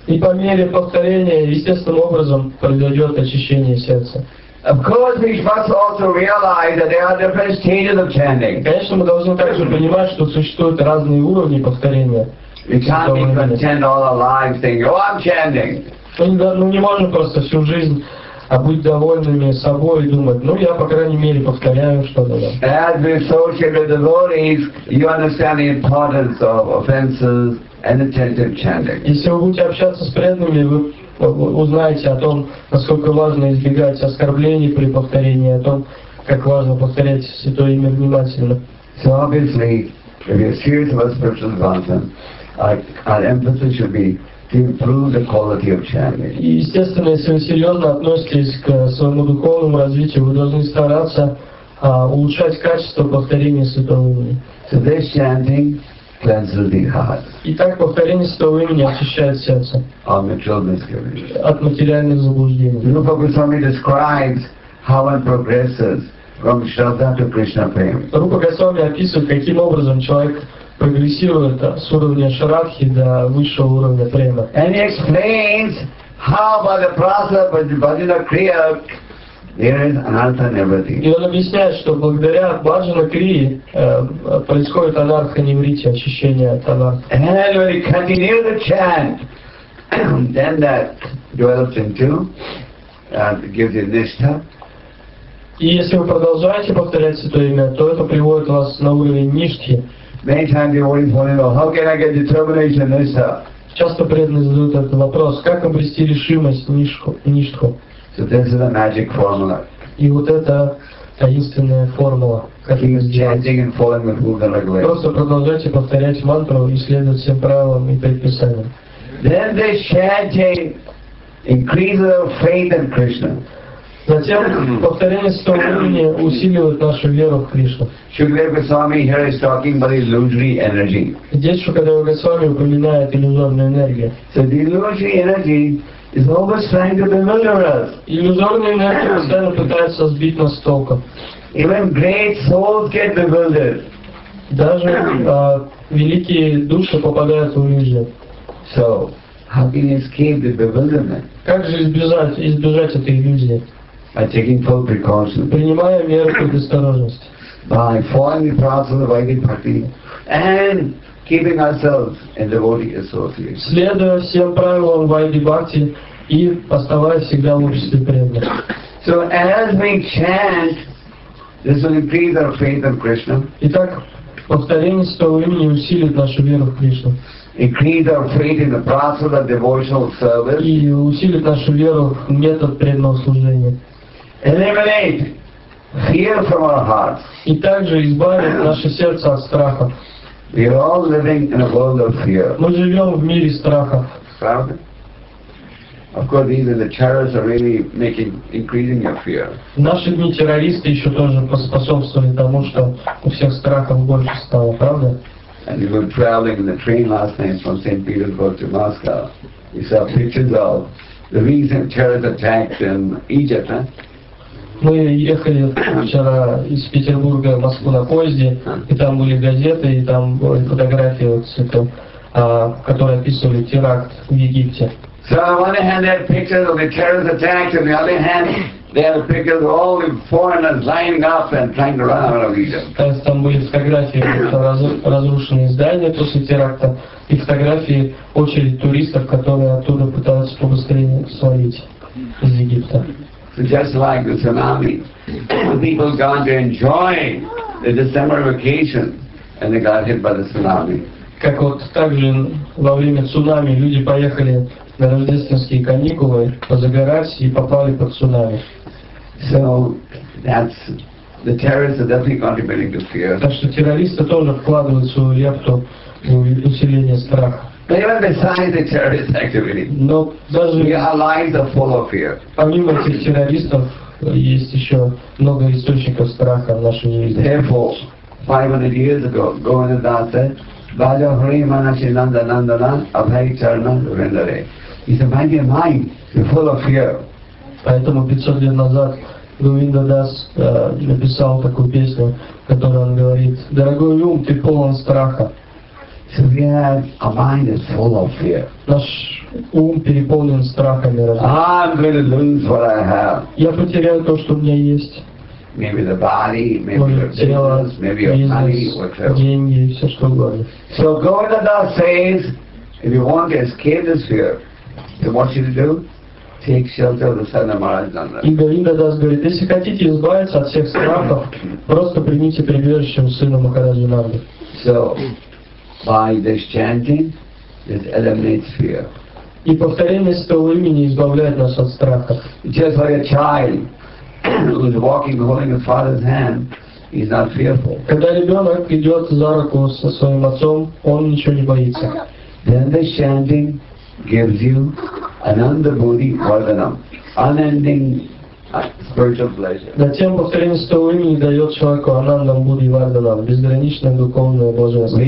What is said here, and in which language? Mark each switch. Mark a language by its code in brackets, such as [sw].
[ru] И по мере повторения, естественным образом, произойдет очищение сердца. [en] Of course, we must also realize that there are different stages of chanting. [ru] Конечно, мы должны также понимать, что существуют разные уровни повторения. [en] We can't be content all our lives thinking, oh, I'm chanting. [ru] Мы не можем просто всю жизнь а быть довольными собой и думать, ну я по крайней мере повторяю что-то. [en] As we associate with the devotees, you understand the importance of offenses and attentive chanting. [ru] Если вы будете общаться с преданными, вы узнаете о том, насколько важно избегать оскорблений при повторении, о том, как важно повторять святое имя внимательно. [en] So obviously, if you're serious about spiritual advancement, our emphasis should be to improve the quality of chanting. [ru] И естественно, если вы серьезно относитесь к своему духовному развитию, вы должны стараться улучшать качество повторения святого имени. [en] So this chanting cleanses the heart. [ru] Итак, повторение святого имени очищает сердце. [en] Our material misgivings. [ru] От материальных заблуждений. [en] Rupa Goswami describes how one progresses from shraddha to Krishna prema. [ru] Rupa Goswami описывает, каким образом человек прогрессирует с уровня шарадхи до высшего уровня према. [en] And he explains how by the process of bhajana kriya there is anartha nivritti. [ru] И он объясняет, что благодаря бхаджана крии происходит анартха нивритти, очищение от анартха. [en] And then when he continues to chant, then that develops into gives you nishtha. [ru] И если вы продолжаете повторять святое имя, то это приводит вас на уровень ништхи. [en] Many times you always want to know, how can I get determination in this stuff? [ru] Часто преданные задают этот вопрос, как обрести решимость ништху. [en] So this is the magic formula. [ru] И вот это таинственная формула. Просто продолжайте повторять мантру и следовать всем правилам и предписаниям. [en] Then the chanting increases our faith in Krishna. [ru] Затем повторение стопения усиливает нашу веру в Кришну. [en] Shukadeva Goswami here is talking about illusory energy. [ru] Здесь Шукадева Госвами упоминает иллюзорную энергию. [en] So the illusory energy is always trying to deliver us. [ru] Иллюзорная энергия постоянно пытается сбить нас с толку. [en] Even great souls get bewildered. [ru] Даже великие души попадают в иллюзию. [en] So, how can you escape the bewilderment? [ru] Как же избежать этой иллюзии? [en] By taking full precaution. [ru] Принимая меры предосторожности. [en] By following the process of the Vaidic Bhakti and keeping ourselves in devotee association. [ru] Следуя всем правилам Vaidic Bhakti и оставаясь всегда в обществе преданных. [en] So as we chant, this will increase our faith in Krishna. [ru] Итак, повторение святого имени усилит нашу веру в Кришну. [en] Increase our faith in the process of devotional service. [ru] И усилит нашу веру в метод преданного служения. [en] Eliminate fear from our hearts. [ru] И также избавит наше сердце от страха. [en] We are all living in a world of fear. [ru] Мы живем в мире страха. Правда? [en] Of course, these are the terrorists are really increasing your fear. [ru] Наши дни террористы еще тоже поспособствовали тому, что у всех страхов больше стало, правда? [en] And we were traveling in the train last night from St. Petersburg to Moscow. We saw pictures of the recent terrorist attacks in Egypt, huh? [ru] Мы ехали вчера из Петербурга в Москву на поезде, и там были газеты, и там были фотографии, вот, которые описывали теракт в Египте. [en] So on one hand they have pictures of the terrorist attacks, on the other hand they have pictures of all the foreigners lining up and trying to run out of Egypt. [ru] То есть там были фотографии разрушенные здания после теракта, и фотографии очередь туристов, которые оттуда пытаются побыстрее свалить из Египта. [en] So just like the tsunami, the people gone to enjoy the December vacation and they got hit by the tsunami. [ru] Как вот так же во время цунами люди поехали на рождественские каникулы позагорать и попали под цунами. [en] So that's the terrorists are definitely contributing to fear. [ru] Так что террористы тоже вкладывают свою лепту в усиление страха. [en] But even besides the terrorist activity, [ru] но даже [en] our lives are full of fear. [ru] Помимо этих террористов, есть еще много источников страха в нашей жизни. [en] Therefore, 500 years ago, Govindadas said, [bn] "Bhaja Hari Manasi Nanda Nanda Nan Abhay Charna Rendare." [en] He said, "My dear mind is full of fear." [ru] Поэтому 500 лет назад Говиндадас написал такую песню, в которой он говорит: "Дорогой ум, ты полон страха." [en] So we have a mind that's full of fear. [ru] Наш ум переполнен страхами. [en] I'm going to lose what I have. [ru] Я потеряю то, что у меня есть. [en] Maybe the body, maybe your business, maybe your money, whatever. [ru] Деньги, все что угодно. [en] So Govinda says, if you want to escape this fear, then what should you do? Take shelter of the Sadhana Maharaj Nanda. [ru] И Говинда Дас говорит, если хотите избавиться от всех страхов, просто примите прибежище у Сына Махараджи Нанды. [en] So by this chanting, this eliminates fear. [ru] И повторение святого имени избавляет нас от страха. [en] Just like a child who is walking, holding his father's hand, he's not fearful. [ru] Когда ребенок идет за руку со своим отцом, он ничего не боится. [en] Then this chanting gives you ananda bodhi vardhanam, unending spiritual pleasure. [ru] Затем повторение святого имени дает человеку ананда бодхи вардханам, безграничное духовное блаженство.